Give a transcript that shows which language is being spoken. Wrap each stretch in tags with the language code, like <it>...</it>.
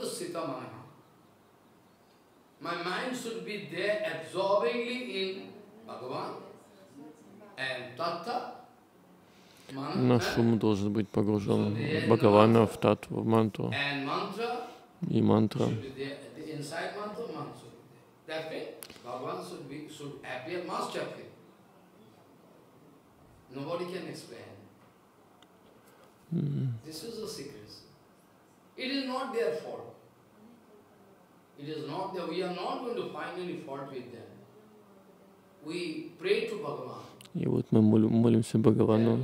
<en>My mind should be there absorbingly in Bhagavan and Tattva.</en> <ru>Наш ум должен быть погружен в Бхагавана, в Таттву, в мантру.</ru> <en>And mantra.</en> <ru>И мантра.</ru> <en>Inside mantra, mantra should be there. That way, Bhagavan should appear, must appear. Nobody can explain. This is a secret. It is not their fault. It is not that we are not going to find any fault with them. We pray to Bhagavan.</en> <ru>И вот мы молимся Бхагавану.</ru>